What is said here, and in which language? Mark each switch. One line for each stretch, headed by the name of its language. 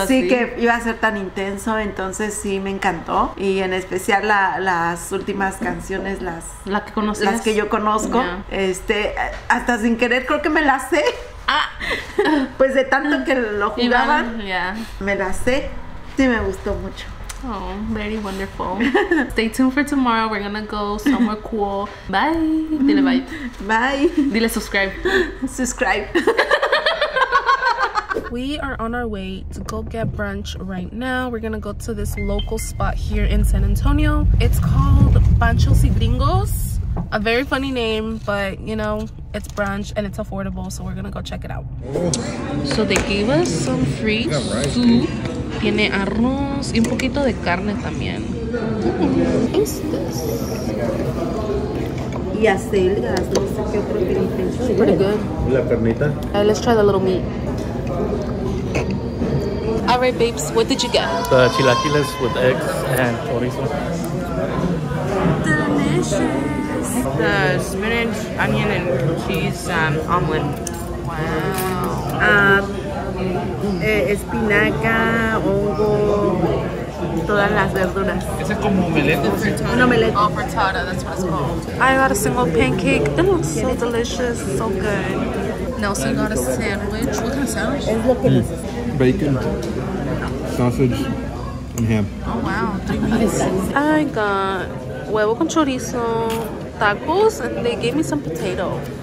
Spanish: así. Sí, que iba a ser tan intenso, entonces sí me encantó. Y en especial las últimas canciones, la que conocías. Las que yo conozco. Yeah. Hasta sin querer creo que me las sé. Ah. Pues de tanto que lo jugaban, Iván, me las sé. Sí, me gustó mucho.
English: Oh, very wonderful. Stay tuned for tomorrow. We're gonna go somewhere cool. Bye.
Spanish: Dile
English: bye. Bye.
Spanish: Dile
English: subscribe. Subscribe. We are on our way to go get brunch right now. We're gonna go to this local spot here in San Antonio. It's called Panchos y Gringos. A very funny name, but you know, it's brunch and it's affordable, so we're gonna go check it out. So they gave us some free soup.
Spanish: Tiene arroz y un poquito de carne también.
English: Is this?
Spanish: Y acelgas, no sé qué otro que
English: pretty good.
Spanish: La carnita.
English: Let's try the little meat. All right, babes, what did you get? The chilaquiles with eggs and chorizo. Delicious! The spinach, onion, and cheese omelet. Wow.
Spanish: Espinaca, hongo, todas las verduras. Es como omelette. Un omelette.
English: Oh, frittata, that's what it's called. I got a single pancake. It looks so delicious, so good. Nelson got a sandwich. What kind of sandwich? Bacon, sausage, and ham. Oh wow, 3 meats. I got huevo con chorizo, tacos, and they gave me some potato.